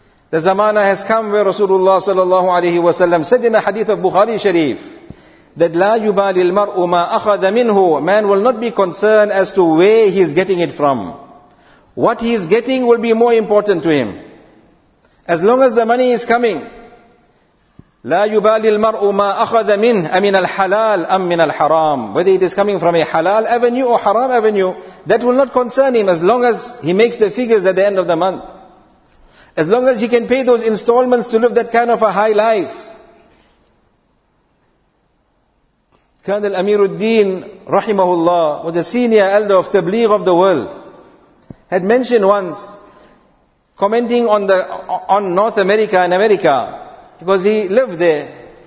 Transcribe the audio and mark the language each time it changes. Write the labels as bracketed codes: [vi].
[en] The zamana has come where Rasulullah sallallahu alaihi wasallam said in a hadith of Bukhari Sharif, that [ar] لا يبالي المرء ما أخذ منه. [en] Man will not be concerned as to where he is getting it from. What he is getting will be more important to him. As long as the money is coming. [ar] لا يبالي المرء ما أخذ منه أمن الحلال أم من الحرام. [en] Whether it is coming from a halal avenue or haram avenue, that will not concern him as long as he makes the figures at the end of the month. As long as he can pay those installments to live that kind of a high life. Colonel Amiruddin, rahimahullah, was a senior elder of Tabligh of the world, had mentioned once, commenting on North America and America, because he lived there.